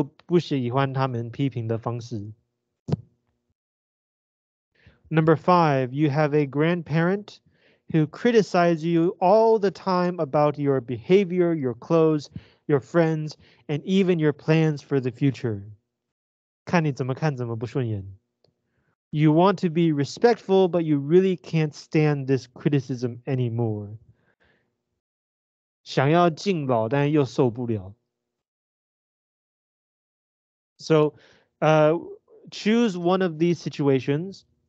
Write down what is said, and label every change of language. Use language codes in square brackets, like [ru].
[zh] 不想要搞孤僻，但是又不喜欢他们批评的方式. [en] Number five, you have a grandparent who criticize you all the time about your behavior, your clothes, your friends, and even your plans for the future. [zh] 看你怎么看怎么不顺眼. [en] You want to be respectful, but you really can't stand this criticism anymore. [zh] 想要敬老，但又受不了. [en] So, choose one of these situations.